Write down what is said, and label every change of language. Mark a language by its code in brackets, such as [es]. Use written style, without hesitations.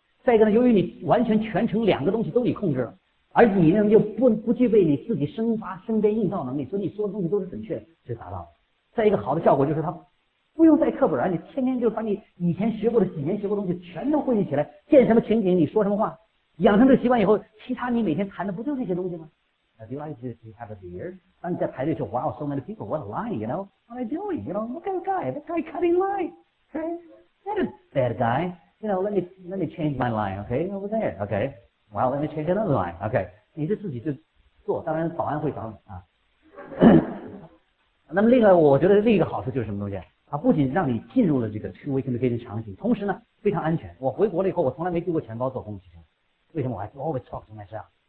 [zh] 再一个呢，由于你完全全程两个东西都你控制了，而你呢又不具备你自己生发生编硬造能力，所以你说的东西都是准确的，就达到了。再一个好的效果就是它不用带课本，你天天就把你以前学过的几年学过的东西全都汇集起来，见什么情景你说什么话，养成这习惯以后，其他你每天谈的不就这些东西吗？ [en] Do you like to have a beer? [zh] 当你在排队说 [en] Wow, so many people, what a line, you know? What are you doing? You know, look at that guy cutting line. Okay, that is bad guy. You know, let me change my line, okay? Over there, okay. Wow, let me change another line, okay. [zh] 你就自己就做，当然保安会找你啊。那么另外我觉得另一个好处就是什么东西啊？它不仅让你进入了这个 two-way communication 场景，同时呢非常安全。我回国了以后我从来没丢过钱包坐公共汽车，为什么？我还 [en] always talk to myself。